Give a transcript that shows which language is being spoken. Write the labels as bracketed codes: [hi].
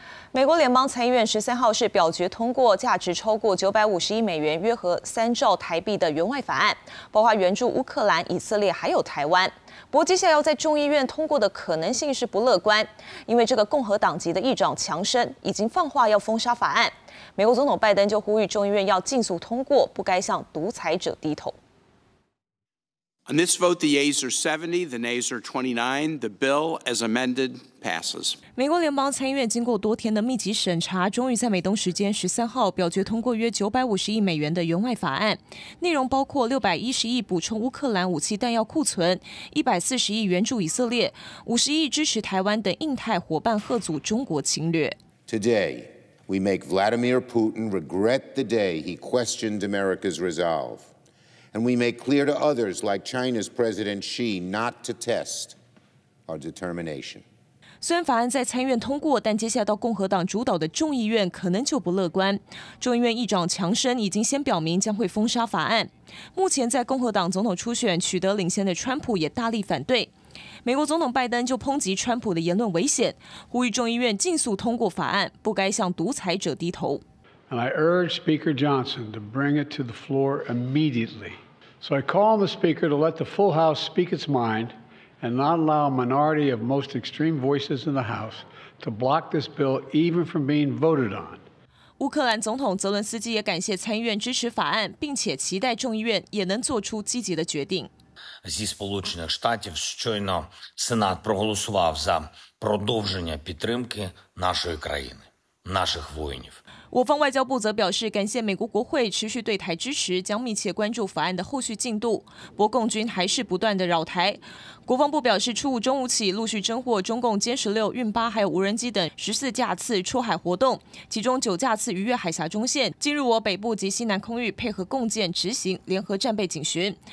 [zh] 美国联邦参议院13号是表决通过价值超过950亿美元、约合3兆台币的援外法案，包括援助乌克兰、以色列还有台湾。不过，接下来要在众议院通过的可能性是不乐观，因为这个共和党籍的议长强生已经放话要封杀法案。美国总统拜登就呼吁众议院要尽速通过，不该向独裁者低头。 [en] On this vote, the yeas are 70, the nays are 29. The bill, as amended, passes. [zh] 美国联邦参议院经过多天的密集审查，终于在美东时间13号表决通过约950亿美元的援外法案，内容包括610亿补充乌克兰武器弹药库存、140亿援助以色列、50亿支持台湾等印太伙伴吓阻中国侵略。 [en] Today, We make Vladimir Putin regret the day he questioned America's resolve. And we make clear to others, like China's President Xi, not to test our determination. [zh] 虽然法案在参议院通过，但接下来到共和党主导的众议院可能就不乐观。众议院议长强生已经先表明将会封杀法案。目前在共和党总统初选取得领先的川普也大力反对。美国总统拜登就抨击川普的言论危险，呼吁众议院尽速通过法案，不该向独裁者低头。 [en] And I urge Speaker Johnson to bring it to the floor immediately. So I call on the Speaker to let the full House speak its mind. And not allow a minority of most extreme voices in the House to block this bill even from being voted on. [zh] 乌克兰总统泽伦斯基也感谢参议院支持法案，并且期待众议院也能做出积极的决定。 [uk] Зі Сполучених Штатів щойно Сенат проголосував за продовження підтримки нашої країни, наших воїнів. [zh] 我方外交部则表示感谢美国国会持续对台支持，将密切关注法案的后续进度。不过，共军还是不断的扰台。国防部表示，初五中午起陆续侦获中共歼十六、运八还有无人机等14架次出海活动，其中9架次逾越海峡中线，进入我北部及西南空域，配合共建执行联合战备警巡。